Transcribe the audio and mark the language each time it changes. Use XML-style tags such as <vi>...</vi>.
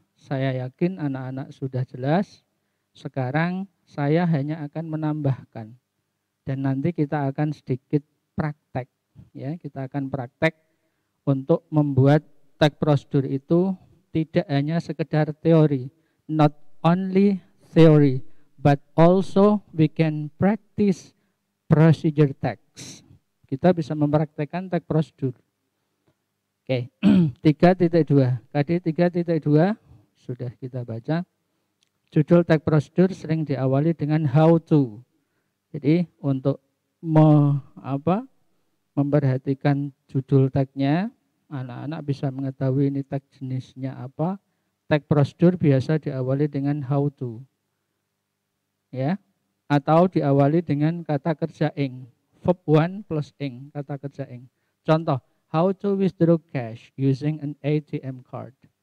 <id>Saya yakin anak-anak sudah jelas. Sekarang saya hanya akan menambahkan. Dan nanti kita akan sedikit praktek. Ya, kita akan praktek untuk membuat tag prosedur itu tidak hanya sekedar teori.</id> <en>Not only theory, but also we can practice procedure tags.</en> <id>Kita bisa mempraktekkan tag prosedur. Oke, 3.2. KD 3.2. Sudah kita baca. Judul tag procedure sering diawali dengan how to. Jadi untuk memperhatikan judul tagnya, anak-anak bisa mengetahui ini tag jenisnya apa. Tag procedure biasa diawali dengan how to. Ya, atau diawali dengan kata kerja ing.</id> <en>Verb one plus ing,</en> <id>kata kerja ing.</id> <en>Contoh, how to withdraw cash using an ATM card.</en>